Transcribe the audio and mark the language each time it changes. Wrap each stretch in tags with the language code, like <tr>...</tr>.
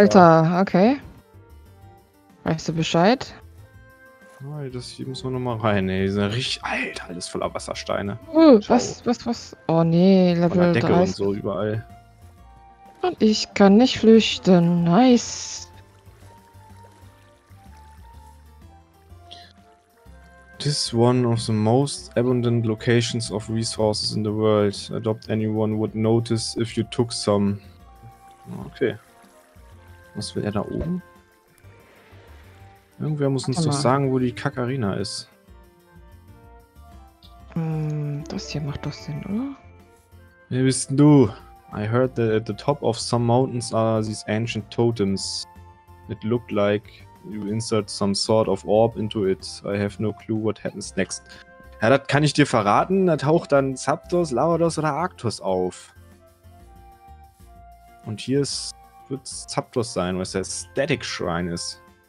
<de>Alter, okay. Weißt du Bescheid? Das hier müssen wir nochmal rein, ey. Die sind richtig alt, alles voller Wassersteine. Was? Oh nee, Level 3. Decke und so überall. Und ich kann nicht flüchten, nice.</de> <en>This one of the most abundant locations of resources in the world. Adopt anyone would notice if you took some.</en> <de>Okay. Was will er da oben? Irgendwer muss uns doch sagen, wo die Kakarina ist. Das hier macht doch Sinn, oder? Wer bist du?</de> <en>I heard that at the top of some mountains are these ancient totems. It looked like you insert some sort of orb into it. I have no clue what happens next.</en> <de>Ja, das kann ich dir verraten. Da taucht dann Zapdos, Lavados oder Arctos auf. Und hier wird es Zapdos sein, weil es der Static Shrine ist.</de>